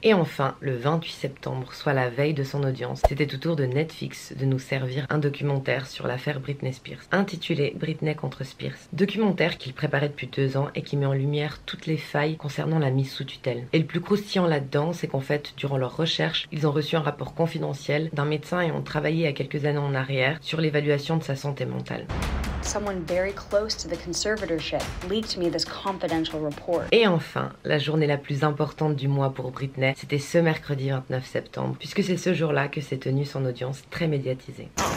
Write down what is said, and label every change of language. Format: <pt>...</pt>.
<fr>Et enfin, le 28 septembre, soit la veille de son audience, c'était au tour de Netflix de nous servir un documentaire sur l'affaire Britney Spears, intitulé Britney contre Spears. Documentaire qu'il préparait depuis 2 ans et qui met en lumière toutes les failles concernant la mise sous tutelle. Et le plus croustillant là-dedans, c'est qu'en fait, durant leur recherche, ils ont reçu un rapport confidentiel d'un médecin et ont travaillé il y a quelques années en arrière sur l'évaluation de sa santé mentale.</fr> <en>Someone very close to the conservatorship leaked me this confidential report.</en> <fr>Et enfin, la journée la plus importante du mois pour Britney, c'était ce mercredi 29 septembre, puisque c'est ce jour-là que s'est tenue son audience très médiatisée.</fr>